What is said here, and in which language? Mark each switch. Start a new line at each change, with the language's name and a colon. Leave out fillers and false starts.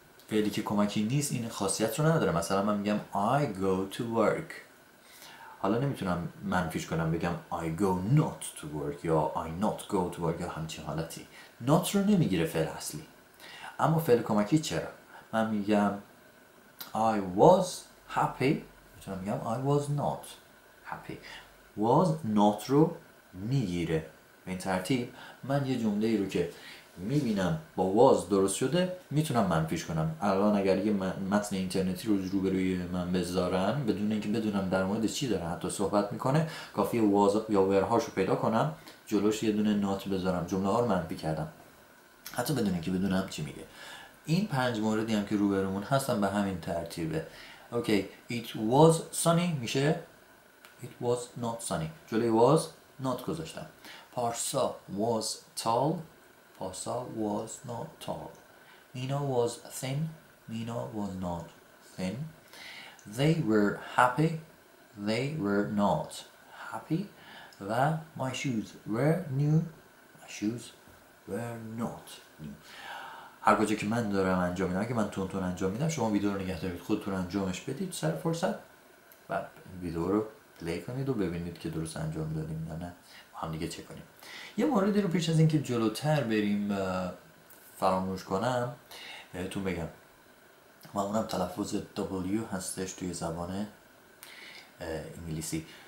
Persian: فعلی که کمکی نیست این خاصیت رو نداره. مثلا من میگم
English: I go to work،
Persian: حالا نمیتونم منفیش کنم بگم
English: I go not to work
Persian: یا
English: I not go to work
Persian: یا همچین حالتی. not رو نمیگیره فعل اصلی، اما فعل کمکی چرا؟ من میگم
English: I was happy.
Persian: میتونم میگم
English: I was not happy.
Persian: Was not رو میگیره. به این ترتیب من یه جمله ای رو که میبینم با was درست شده میتونم منفیش کنم. الان اگر یه متن اینترنتی رو روبروی من بذارن بدون اینکه بدونم در مورد چی داره حتی صحبت میکنه، کافیه was یا were هاشو پیدا کنم، جلوش یه دونه not بذارم، جمله ها رو منفی کردم حتی بدون اینکه بدونم چی میگه. این پنج موردی هم که روبرمون هستن به همین ترتیبه.
English: okay it was sunny
Persian: میشه
English: it was not sunny،
Persian: جلوی
English: was not
Persian: گذاشتم.
English: پارسا was tall، پارسا was not tall. مینا was thin، مینا was not thin. They were happy، they were not happy. و my shoes were new، my shoes were not new.
Persian: هر کجا که من دارم انجام میدم، اگه من تون تون انجام میدم، شما ویدیو رو نگه دارید، خودتون انجامش بدید سر فرصت و ویدیو رو پلی کنید و ببینید که درست انجام دادیم یا نه، هم دیگه چک کنیم. یه موردی رو پیش از اینکه جلوتر بریم فراموش کنم بهتون بگم، و اونم تلفظ W هستش توی زبان انگلیسی.